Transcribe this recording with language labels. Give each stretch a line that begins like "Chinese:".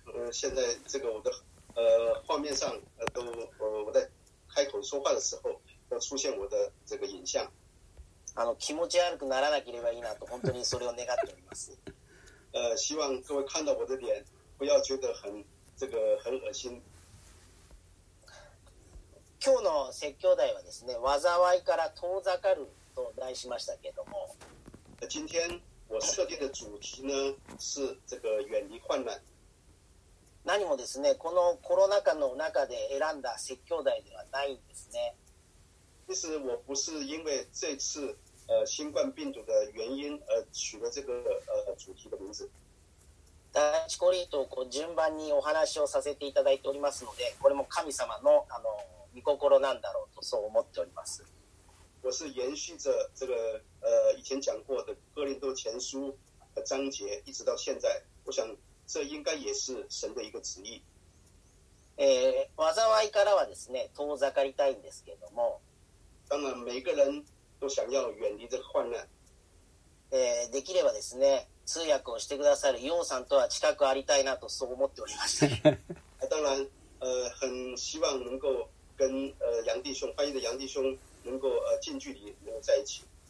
Chinese: 現在这个我的、画面上、我在开口说话的时候要出现我的这个影像。
Japanese: 気持ち悪くならなければいいなと本当にそれを願っております。
Chinese: 希望各位看到我的脸不要觉得 很恶心。
Japanese: 今日の説教題はですね、災いから遠ざかると題しましたけれども、
Chinese: 今天我設定的主題呢是这个远离患難。
Japanese: 何もですね、このコロナ禍の中で選んだ説教題ではないんですね。
Chinese: 其实我不是因为这次新冠病毒的原因而取了这个主题的名字。
Japanese: 第一コリントを順番にお話をさせていただいておりますので、これも神様の御心なんだろうとそう思っております。
Chinese: 我是延续着这个以前讲过的哥林多前书的章节一直到现在，我想这应该也是神的一个旨意。
Japanese: 災いからはですね、遠ざかりたいんですけども、
Chinese: 当然每个人都想要远离这个患难。
Japanese: できればですね、通訳をしてくださるヨウさんとは近くありたいなとそう思っておりまして
Chinese: 当然很希望能够跟杨弟兄、翻译的杨弟兄能够近距离能够在一起。